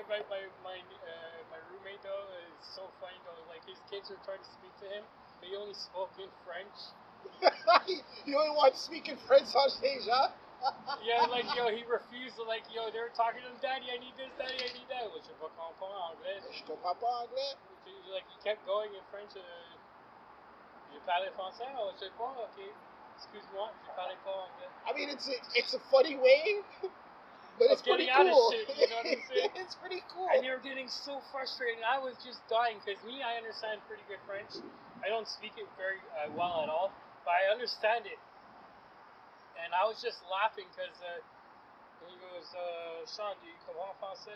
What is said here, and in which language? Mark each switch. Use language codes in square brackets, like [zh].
[en] My roommate, though, is so funny, though. Like, his kids were trying to speak to him, but he only spoke in French. You only want to speak in French on stage, huh? Yeah, like, yo, he refused to, like, yo, they were talking to him, daddy, I need this, daddy, I need that. [fr] Je peux comprendre anglais. Je peux comprendre anglais. [en] Like, he kept going in French. [fr] Je parle français, oh, je peux, okay. Excuse-moi, je parle pas anglais. [en] I mean, it's a funny way, but it's pretty cool. Out of shit, you know what I'm saying? It's pretty cool. And they were getting so frustrated, I was just dying, because me, I understand pretty good French. I don't speak it very well at all, but I understand it. And I was just laughing because he goes, Sean, do you [fr] comprend français?